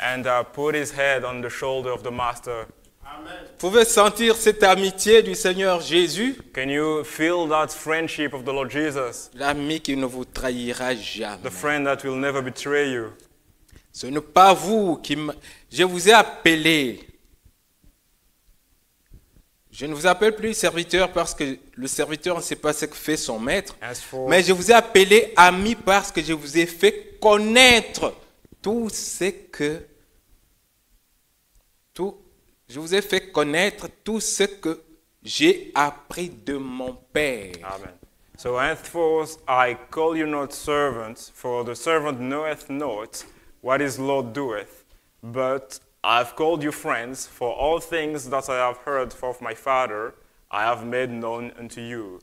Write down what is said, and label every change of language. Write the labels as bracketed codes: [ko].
[en] And put his head on the shoulder of the master. [fr] Vous pouvez sentir cette amitié du Seigneur Jésus. [en] Can you feel that friendship of the Lord Jesus? [fr] L'ami qui ne vous trahira jamais. [en] The friend that will never betray you. [fr] Ce n'est pas vous qui je vous ai appelé. Je ne vous appelle plus serviteur parce que le serviteur ne sait pas ce que fait son maître. Mais je vous ai appelé ami parce que je vous ai fait connaître tout ce que je vous ai fait connaître tout ce que j'ai appris de mon Père. Amen. [en] So henceforth I call you not servants, for the servant knoweth not what his Lord doeth. But I have called you friends, for all things that I have heard of my Father, I have made known unto you.